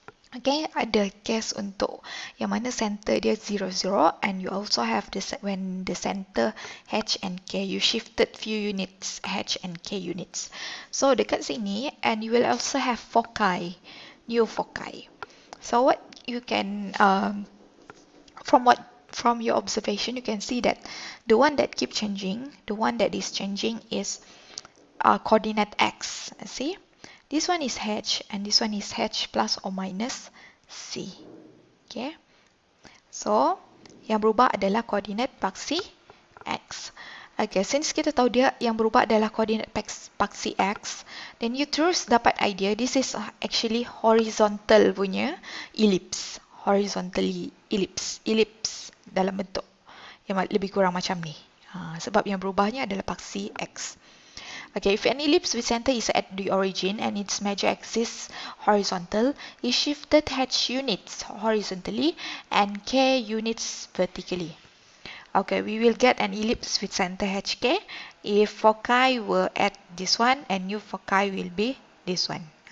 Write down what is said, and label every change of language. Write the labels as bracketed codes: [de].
[ms] Okay, ada case untuk yang mana center dia 0, 0. [en] And you also have the when the center H and K, you shifted few units, H and K units. So, [ms] dekat sini, [en] and you will also have foci, new foci. So, what you can, from your observation, you can see that the one that keep changing, the one that is changing is coordinate X. See? This one is H and this one is H plus or minus C. Okay. [ms] So, yang berubah adalah koordinat paksi X. [en] Okay, since [ms] kita tahu dia yang berubah adalah koordinat paksi X, [en] then you [ms] terus dapat idea [en] this is actually horizontal [ms] punya ellipse. Horizontally ellipse. Ellipse dalam bentuk yang lebih kurang macam ni. Sebab yang berubahnya adalah paksi X. [en] Okay, if an ellipse with center is at the origin and its major axis horizontal, it shifted H units horizontally and K units vertically. Okay, we will get an ellipse with center HK if foci were at this one and new foci will be this one.